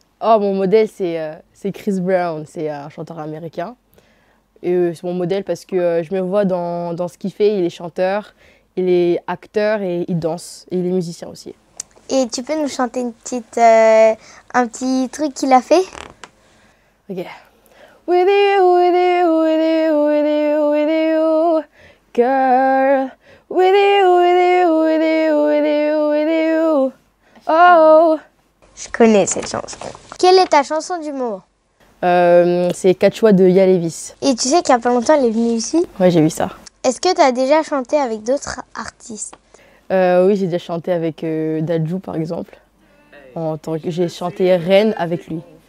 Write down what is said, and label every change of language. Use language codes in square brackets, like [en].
[fr] Oh, mon modèle, c'est Chris Brown, c'est un chanteur américain. Et c'est mon modèle parce que je me vois dans ce qu'il fait, il est chanteur. Il est acteur et il danse. Et il est musicien aussi. Et tu peux nous chanter une petite, un petit truc qu'il a fait? Ok. [en] With you, with you, with you, with you, with you, girl. With you, with you, with you, with you, with you, with you. Oh. [fr] Je connais cette chanson. Quelle est ta chanson du moment? C'est Catch What de Ya Levis. Et tu sais qu'il y a pas longtemps, elle est venue ici? Ouais, j'ai vu ça. Est-ce que tu as déjà chanté avec d'autres artistes? Oui, j'ai déjà chanté avec Dadju, par exemple. J'ai chanté Reine avec lui.